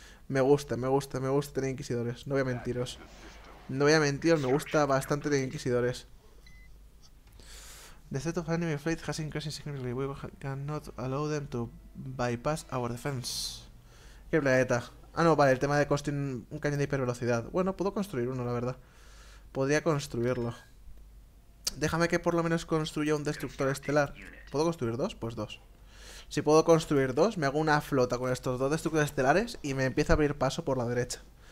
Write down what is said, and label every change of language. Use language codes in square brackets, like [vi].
[es] Me gusta, me gusta, me gusta tener inquisidores. No voy a mentiros. No voy a mentir, me gusta bastante de inquisidores. [en] The threat of enemy fleet has increased significantly. We cannot allow them to bypass our defense. [es] ¿Qué planeta? Ah, no, vale, el tema de construir un cañón de hipervelocidad. Bueno, puedo construir uno, la verdad. Podría construirlo. Déjame que por lo menos construya un destructor estelar. ¿Puedo construir dos? Pues dos. Si puedo construir dos, me hago una flota con estos dos destructores estelares y me empieza a abrir paso por la derecha.